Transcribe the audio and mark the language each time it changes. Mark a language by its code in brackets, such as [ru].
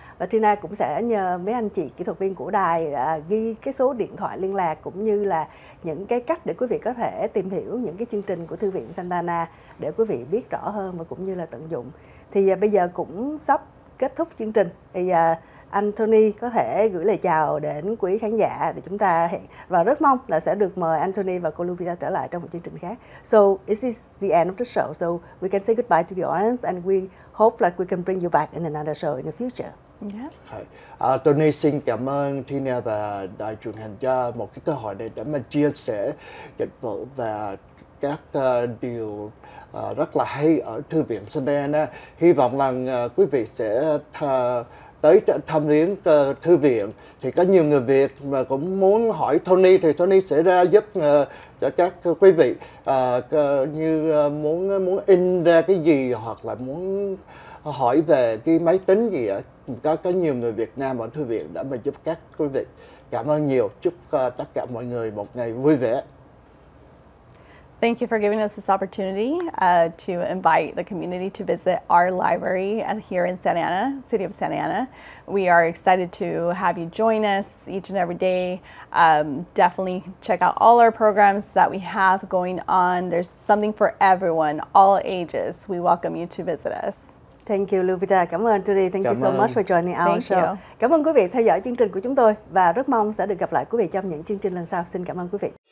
[vi] Và Tina cũng sẽ nhờ mấy anh chị kỹ thuật viên của đài ghi cái số điện thoại liên lạc cũng như là những cái cách để quý vị có thể tìm hiểu những cái chương trình của Thư viện Santa Ana để quý vị biết rõ hơn và cũng như là tận dụng. Thì bây giờ cũng sắp kết thúc chương trình. Thì anh Tony có thể gửi lời chào đến quý khán giả để chúng ta hẹn và rất mong là sẽ được mời anh Tony và cô Luvita trở lại trong một chương trình khác. [en] So this is the end of the show, so we can say goodbye to the audience and we hope that we can bring you back in another show in the future. Yeah. [vi] Tony xin cảm ơn Tina và đài truyền hình cho một cái cơ hội này để mà chia sẻ dịch vụ và các điều rất là hay ở Thư viện Santana. Hy vọng rằng quý vị sẽ tới thăm viếng thư viện. Thì có nhiều người Việt mà cũng muốn hỏi Tony thì Tony sẽ ra giúp cho các quý vị như muốn in ra cái gì hoặc là muốn hỏi về cái máy tính gì ạ. Có nhiều người Việt Nam ở thư viện đã mà giúp các quý vị. Cảm ơn nhiều. Chúc tất cả mọi người một ngày vui vẻ. [en] Thank you for giving us this opportunity to invite the community to visit our library here in Santa Ana, City of Santa Ana. We are excited to have you join us each and every day. Definitely check out all our programs that we have going on. There's something for everyone, all ages. We welcome you to visit us. Thank you, Luvita. [vi] Cảm ơn Tony. [en] Thank you so much for joining our show. Thank you. [vi] Cảm ơn quý vị theo dõi chương trình của chúng tôi và rất mong sẽ được gặp lại quý vị trong những chương trình lần sau. Xin cảm ơn quý vị.